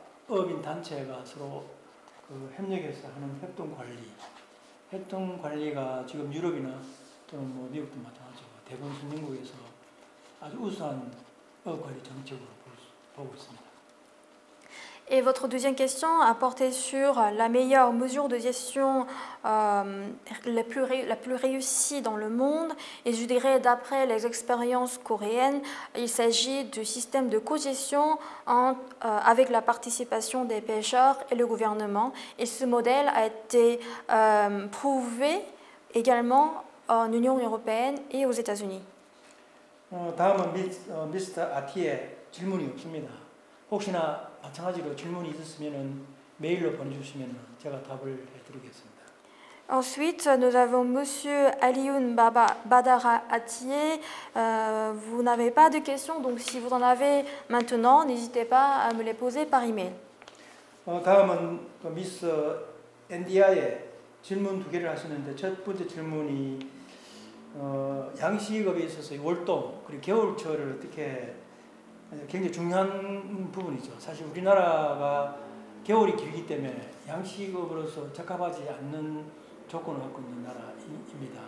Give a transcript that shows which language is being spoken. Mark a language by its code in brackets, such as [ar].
[fr] La Corée peut être une politique de pêche. [ko] 그 협력해서 하는 협동 관리가 지금 유럽이나 또는 뭐 미국도 마찬가지고 대부분 선진국에서 아주 우수한 업 관리 정책으로 보고 있습니다. [fr] Et votre deuxième question a porté sur la meilleure mesure de gestion la plus réussie dans le monde. Et je dirais, d'après les expériences coréennes, il s'agit du système de co-gestion avec la participation des pêcheurs et le gouvernement. Et ce modèle a été prouvé également en Union européenne et aux États-Unis. [ko] 다음은 미스터 아티의 질문이 없습니다. 혹시나 마찬가지로 질문이 있으시면은 메일로 보내주시면 제가 답을 해드리겠습니다. [fr] Ensuite, nous avons Monsieur Alioun Badara Atiye. Vous n'avez pas de questions, donc si vous en avez maintenant, n'hésitez pas à me les poser par email. [ko] 다음은 미스 NDI의 질문 두 개를 하시는데 첫 번째 질문이 양식업에 있어서 월동 그리고 겨울철을 어떻게 굉장히 중요한 부분이죠. 사실 우리나라가 겨울이 길기 때문에 양식업으로서 적합하지 않는 조건을 갖고 있는 나라입니다.